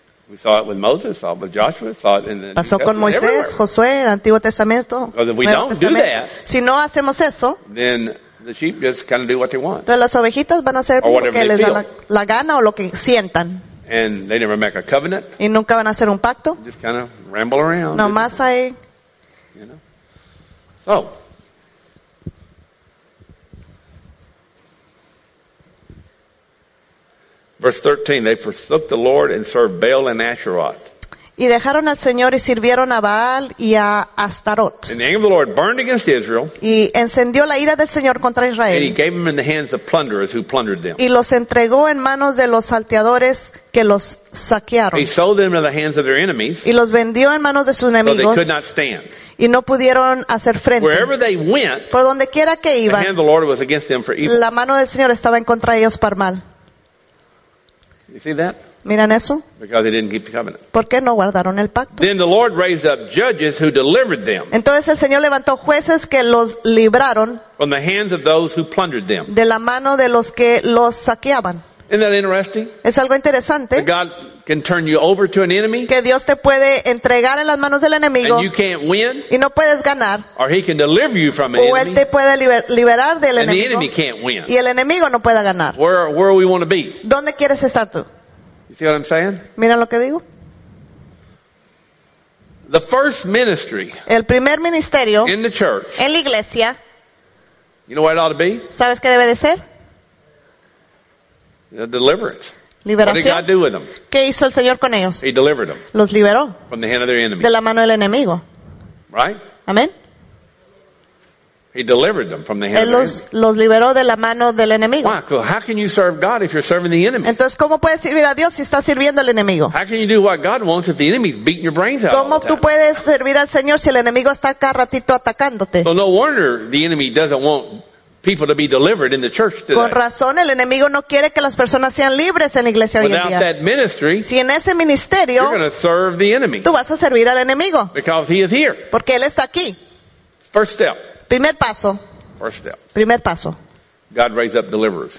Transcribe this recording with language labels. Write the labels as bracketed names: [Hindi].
[English] We saw it with Moses, saw it with Joshua, saw it in the [Spanish] pasó con Moisés, Josué, el Antiguo Testamento. [English] Because if we don't do that, [Spanish] si no hacemos eso, [English] then the sheep just kind of do what they want. [Spanish] Entonces las ovejitas van a hacer lo que les da la gana o lo que sientan. [English] And they never make a covenant. [Spanish] Y nunca van a hacer un pacto. [English] Just kind of ramble around. [Spanish] No más ahí. [English] You know. So. Verse 13, they forsook the Lord and served Baal and Asherah. [Spanish] Y dejaron al Señor y sirvieron a Baal y a Astaroth. [English] And the anger of the Lord burned against Israel. [Spanish] Y encendió la ira del Señor contra Israel. [English] And he gave them in the hands of plunderers who plundered them. [Spanish] Y los entregó en manos de los salteadores que los saquearon. [English] He sold them into the hands of their enemies. [Spanish] Y los vendió en manos de sus enemigos. [English] So they could not stand. [Spanish] Y no pudieron hacer frente. [English] Wherever they went, [Spanish] por donde quiera que iban, [English] the hand of the Lord was against them for evil. [Spanish] La mano del Señor estaba en contra de ellos para mal. [English] You see that? [Spanish] ¿Miran eso? [English] Because they didn't keep the covenant. [Spanish] ¿Por qué no guardaron el pacto? [English] Then the Lord raised up judges who delivered them. [Spanish] Entonces el Señor levantó jueces que los libraron. [English] From the hands of those who plundered them. [Spanish] De la mano de los que los saqueaban. [English] Isn't that interesting? [Spanish] Es algo interesante. [English] That God can turn you over to an enemy. [Spanish] Que Dios te puede entregar en las manos del enemigo. [English] And you can't win. [Spanish] Y no puedes ganar. [English] Or he can deliver you from an enemy. [Spanish] O él te puede liberar del enemigo. [English] And the enemy can't win. [Spanish] Y el enemigo no puede ganar. [English] Where we want to be? [Spanish] ¿Dónde quieres estar tú? [English] You see what I'm saying? [Spanish] Mira lo que digo. [English] The first ministry. [Spanish] El primer ministerio. [English] In the church. [Spanish] En la iglesia. [English] You know what it ought to be? [Spanish] ¿Sabes qué debe de ser? [English] The deliverance. [Spanish] Liberación. [English] What did God do with them? [Spanish] ¿Qué hizo el Señor con ellos? [English] He delivered them. [Spanish] Los liberó. [English] From the hand of their enemy. [Spanish] De la mano del enemigo. [English] Right? [Spanish] Amén. [English] He delivered them from the hand of the enemy. [Spanish] Él los liberó de la mano del enemigo. [English] Why? How can you serve God if you're serving the enemy? [Spanish] Entonces, ¿cómo puedes servir a Dios si estás sirviendo al enemigo? [English] How can you do what God wants if the enemy's beating your brains out? [Spanish] ¿Cómo tú puedes servir al Señor si el enemigo está cada ratito atacándote? [English] So no wonder the enemy doesn't want people to be delivered in the church today. [Spanish] Con razón, el enemigo no quiere que las personas sean libres en la iglesia hoy en día. [English] Without that ministry, [Spanish] si en ese ministerio, [English] you're going to serve the enemy. [Spanish] Tú vas a servir al enemigo. [English] Because he is here. [Spanish] Porque él está aquí. [English] First step. [Spanish] Primer paso. [English] First step. [Spanish] Primer paso. [English] God raise up deliverers.